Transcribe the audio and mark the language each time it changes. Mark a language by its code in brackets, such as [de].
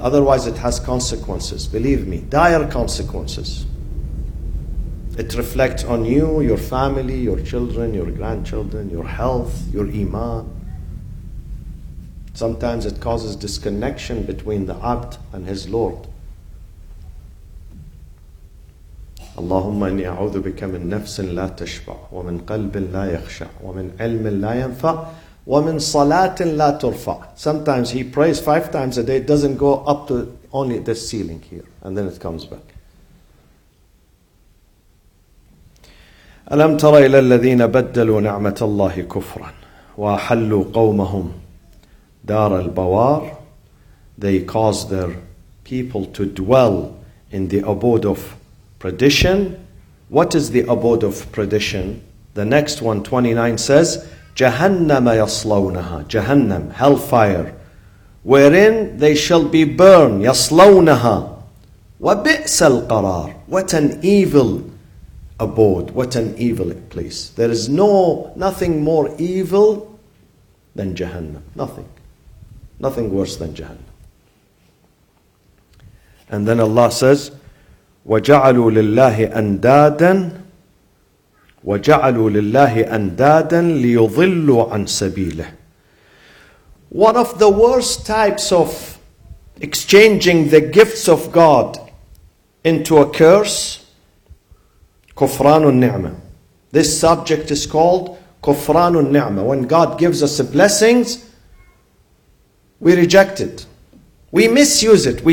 [en] Otherwise, it has consequences. Believe me. Dire consequences. It reflects on you, your family, your children, your grandchildren, your health, your iman. Sometimes it causes disconnection between the abd and his lord. [ar] اللهم إني أعوذ بك من نفس لا تشبع ومن قلب لا يخشع ومن علم لا ينفع ومن صلاة لا ترفع. [en] Sometimes he prays 5 times a day, it doesn't go up to only the ceiling here, and then it comes back. [ar] ألم تر إلى الذين بدلوا نعمة الله كفرا وأحلوا قومهم دار البوار. [en] They caused their people to dwell in the abode of perdition. What is the abode of perdition? The next one, 29, says, [ar] جهنم يصلونها. [en] جهنم, hellfire. Wherein they shall be burned. [ar] يصلونها. وبئس القرار. [en] What an evil abode. What an evil place. There is nothing more evil than Jahannam. Nothing. Nothing worse than Jahannam. And then Allah says, [ar] وَجَعَلُوا لِلَّهِ أَنْدَادًا وَجَعَلُوا لِلَّهِ أَنْدَادًا لِيُضِلُّوا عَنْ سَبِيلِهِ. [en] One of the worst types of exchanging the gifts of God into a curse, [ar] كُفْرَانُ النِّعْمَةِ. [en] This subject is called [ar] كُفْرَانُ النِّعْمَةِ. [en] When God gives us the blessings, we reject it. We misuse it.